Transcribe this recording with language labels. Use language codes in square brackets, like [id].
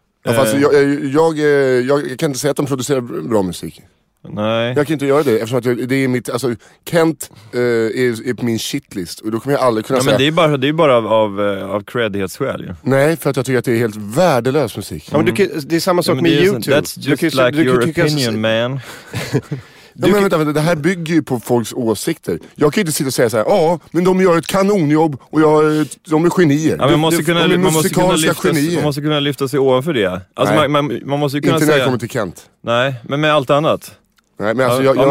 [sv] Ja, fast jag kan inte säga att de producerar bra musik. Nej. Jag kan inte göra det, eftersom att det är mitt, alltså Kent är på min shitlist. Och då kommer jag aldrig kunna säga. Men det är bara av creddighetsskäl ju. Nej, för att jag tycker att det är helt värdelös musik. Ja, men det är samma sak med YouTube. [en] That's just like your opinion, man. [sv] Ja, men vänta, det här bygger ju på folks åsikter. Jag kan ju inte sitta och säga så här: ja, men de gör ett kanonjobb och de är genier. Ja, man måste kunna lyfta sig ovanför det. Alltså, man måste ju kunna inte säga, när jag kommer till Kent. Nej, men med allt annat. Nej, men alltså, jag